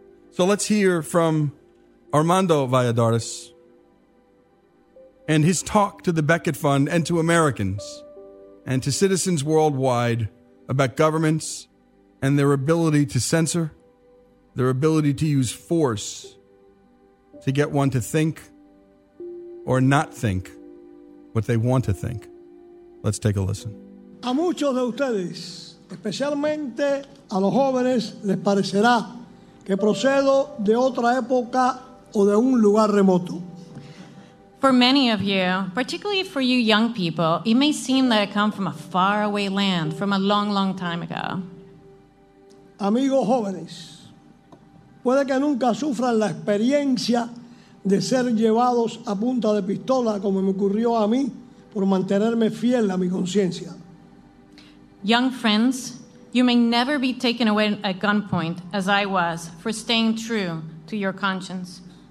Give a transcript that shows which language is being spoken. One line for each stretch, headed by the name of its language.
English: So let's hear from Armando Valladares and his talk to the Beckett Fund and to Americans and to citizens worldwide about governments and their ability to censor, their ability to use force to get one to think or not think what they want to think. Let's take a listen.
Spanish: A muchos de ustedes, especialmente a los jóvenes, les parecerá que procedo de otra época o de un lugar remoto.
English: For many of you, particularly for you young people, it may seem that I come from a faraway land, from a long, long time ago.
Spanish: Amigos jóvenes, puede que nunca sufran la experiencia de ser llevados a punta de pistola como me ocurrió a mí por mantenerme fiel a mi conciencia.
English: Young friends, you may never be taken away at gunpoint, as I was, for staying true to your conscience.